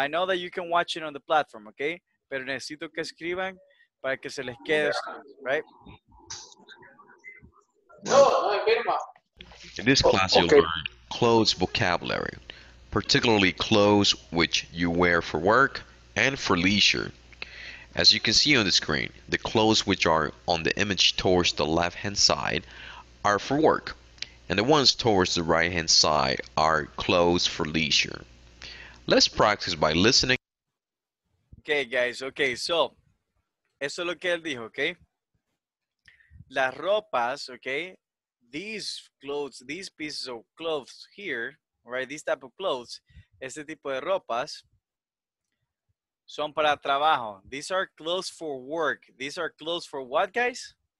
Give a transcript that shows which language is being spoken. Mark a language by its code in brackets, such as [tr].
[en] I know that you can watch it on the platform, okay? [es] Pero necesito que escriban para que se les quede, [en] right? [es] No, enferma. [en] In this class, you'll learn clothes vocabulary. particularly clothes which you wear for work and for leisure. As you can see on the screen, the clothes which are on the image towards the left-hand side are for work, and the ones towards the right-hand side are clothes for leisure. Let's practice by listening. Okay, guys. Okay, so, [es] eso es lo que él dijo, okay? Las ropas, okay? [en] These clothes, these pieces of clothes here, right? These type of clothes, [es] este tipo de ropas, son para trabajo. [en] These are clothes for work. These are clothes for what, guys?